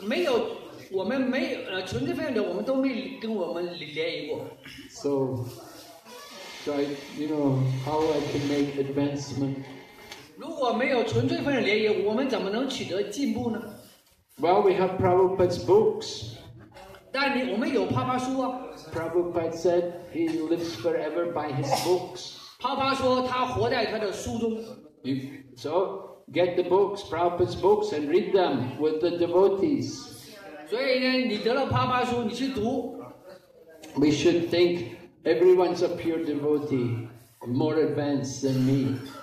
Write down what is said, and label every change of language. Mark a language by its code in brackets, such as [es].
[zh] 没有，我们没有纯正分享者，我们都没跟我们联谊过。 [en] So, you know how I can make advancement? [zh] 如果没有纯正分享者联谊，我们怎么能取得进步呢？ [en] Well, we have Prabhupada's books. [zh] 但我们有帕帕书啊。 [en] Prabhupada said he lives forever by his books. [zh] 帕帕说他活在他的书中。 [en] So, get the books, Prabhupada's books, and read them with the devotees. [zh] 所以呢，你得了帕帕书，你去读。 [en] We should think everyone's a pure devotee, more advanced than me.